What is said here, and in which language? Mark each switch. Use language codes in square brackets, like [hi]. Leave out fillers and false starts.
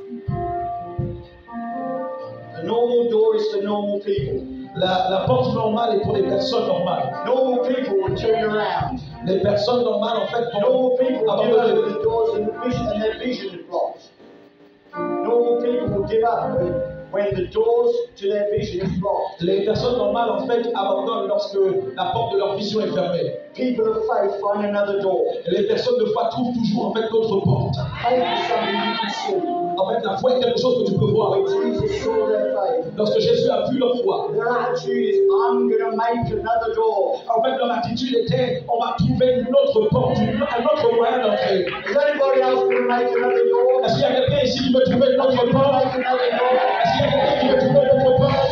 [en] Amen. The normal door is for normal people. [fr] La porte normale est pour les personnes normales. [en] Normal people will turn around. [fr] Les personnes normales en fait vont [en] normal people [fr] abandonner. [en] Give up the doors and vision and their vision is blocked. Normal people will give up when the doors to their vision is blocked. [fr] Les personnes normales en fait abandonnent lorsque la porte de leur vision est fermée. [en] People of faith find another door. [fr] Et les personnes de foi trouvent toujours en fait d'autres portes. [en] Faith is something you can see. [fr] En fait, la foi est quelque chose que tu peux voir. [en] Jesus saw their faith. [fr] Lorsque Jésus a vu leur foi, [en] their attitude is, I'm going to make another door. [fr] En fait, leur attitude était, on va trouver une autre porte, un autre moyen d'entrer. [en] Is anybody else going to make another door? [fr] Est-ce qu'il y a quelqu'un ici qui veut trouver une autre porte? Est-ce qu'il y a quelqu'un qui veut trouver une autre porte?